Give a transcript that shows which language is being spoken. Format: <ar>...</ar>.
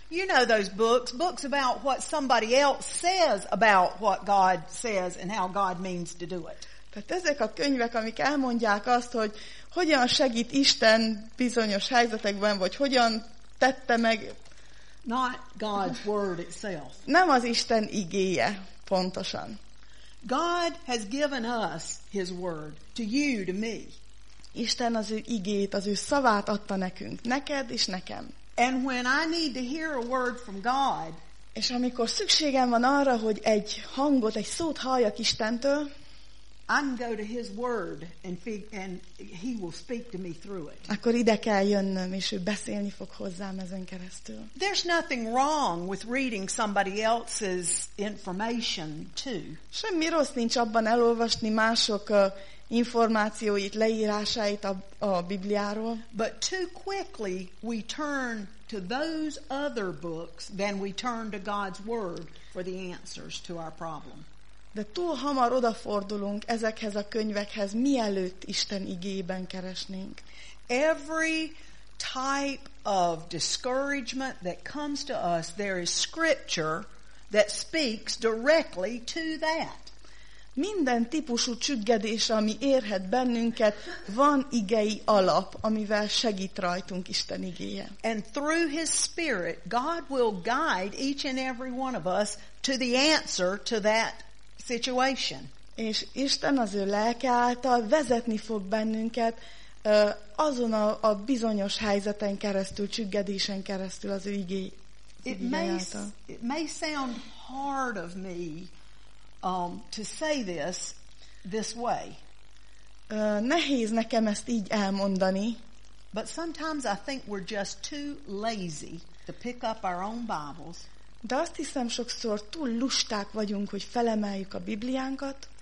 <en>You know those books about what somebody else says about what God says and how God means to do it.</en> <hu>Tehát ezek a könyvek, amik elmondják azt, hogy hogyan segít Isten bizonyos helyzetekben, vagy hogyan tette meg.</hu> <en>Not God's word itself.</en> <hu>Nem az Isten igéje, pontosan.</hu> <en>God has given us his word, to you, to me.</en> <hu>Isten az ő igét, az ő szavát adta nekünk, neked és nekem.</hu> <en>And when I need to hear a word from God,</en> <hu>és amikor szükségem van arra, hogy egy hangot, egy szót halljak Istentől,</hu> <en>I can go to his word and he will speak to me through it.</en> <hu>Akkor ide kell jönnöm, és ő beszélni fog hozzám ezen keresztül.</hu> <en>There's nothing wrong with reading somebody else's information too.</en> <hu>Semmi rossz nincs abban elolvasni mások információit, leírásait a Bibliáról.</hu> <en>But too quickly we turn to those other books than we turn to God's word for the answers to our problem.</en> <hu>De túl hamar odafordulunk ezekhez a könyvekhez, mielőtt Isten igében keresnénk.</hu> <en>Every type of discouragement that comes to us, there is scripture that speaks directly to that.</en> <hu>Minden típusú csüggedés, ami érhet bennünket, van igei alap, amivel segít rajtunk Isten igéje.</hu> <en>And through his spirit, God will guide each and every one of us to the answer to that situation.</en> <hu>És Isten az ő lelke által vezetni fog bennünket azon a bizonyos helyzeten keresztül, csüggedésen keresztül az ő igéje által.</hu> <en>It may sound hard of me to say this way.</en> <hu>Nehéz nekem ezt így elmondani.</hu> <en>But sometimes I think we're just too lazy to pick up our own Bibles.</en> <hu>De azt hiszem, sokszor túl lusták vagyunk, hogy felemeljük a Bibliánkat,</hu>